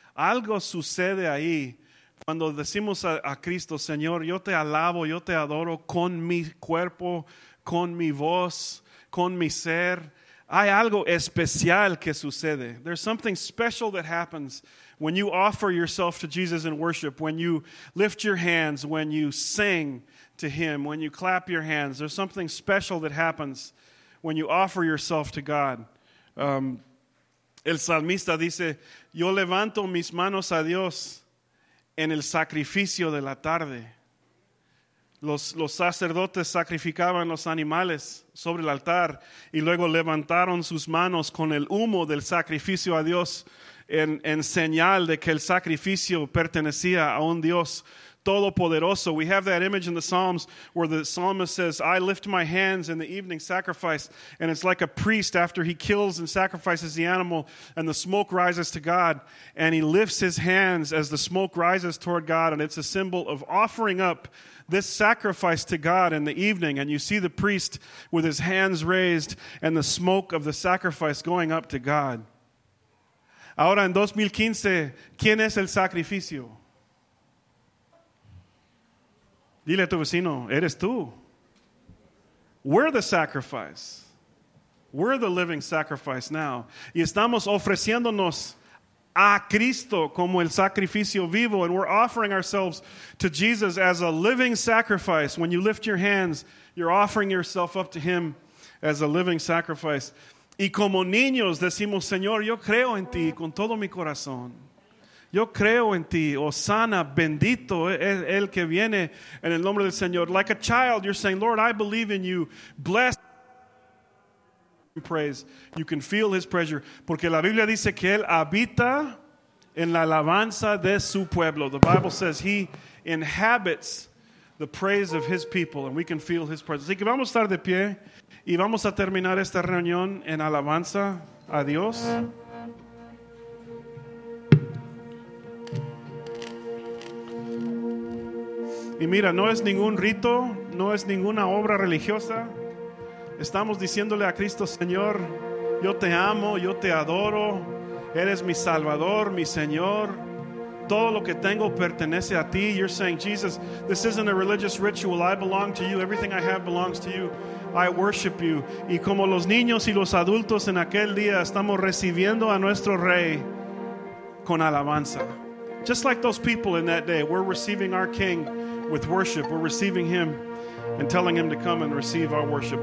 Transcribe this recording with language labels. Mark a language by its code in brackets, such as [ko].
[es] Algo sucede ahí cuando decimos a Cristo, Señor, yo te alabo, yo te adoro con mi cuerpo, con mi voz, con mi ser. Hay algo especial que sucede. [en] There's something special that happens when you offer yourself to Jesus in worship, when you lift your hands, when you sing to him, when you clap your hands. There's something special that happens when you offer yourself to God. [es] El salmista dice, yo levanto mis manos a Dios en el sacrificio de la tarde. Los sacerdotes sacrificaban los animales sobre el altar y luego levantaron sus manos con el humo del sacrificio a Dios en señal de que el sacrificio pertenecía a un Dios todopoderoso. [en] We have that image in the Psalms where the psalmist says, I lift my hands in the evening sacrifice, and it's like a priest after he kills and sacrifices the animal and the smoke rises to God, and he lifts his hands as the smoke rises toward God, and it's a symbol of offering up this sacrifice to God in the evening. And you see the priest with his hands raised and the smoke of the sacrifice going up to God. [es] Ahora en 2015, ¿quién es el sacrificio? Dile a tu vecino, eres tú. [en] We're the sacrifice. We're the living sacrifice now. [es] Y estamos ofreciéndonos a Cristo como el sacrificio vivo, [en] and we're offering ourselves to Jesus as a living sacrifice. When you lift your hands, you're offering yourself up to him as a living sacrifice. [es] Y como niños decimos, Señor, yo creo en ti con todo mi corazón. Yo creo en ti, Hosanna, bendito el que viene en el nombre del Señor. [en] Like a child, you're saying, Lord, I believe in you. Blessed. Praise. You can feel his pleasure. [es] Porque la Biblia dice que él habita en la alabanza de su pueblo. [en] The Bible says he inhabits the praise of his people, and we can feel his presence. [es] Así que vamos a estar de pie y vamos a terminar esta reunión en alabanza a Dios. Y mira, no es ningún rito, no es ninguna obra religiosa. Estamos diciéndole a Cristo: Señor, yo te amo, yo te adoro, eres mi Salvador, mi Señor, todo lo que tengo pertenece a ti. [en] You're saying, Jesus, this isn't a religious ritual, I belong to you, everything I have belongs to you, I worship you. [es] Y como los niños y los adultos en aquel día, estamos recibiendo a nuestro Rey con alabanza. [en] Just like those people in that day, we're receiving our King with worship. We're receiving Him and telling Him to come and receive our worship.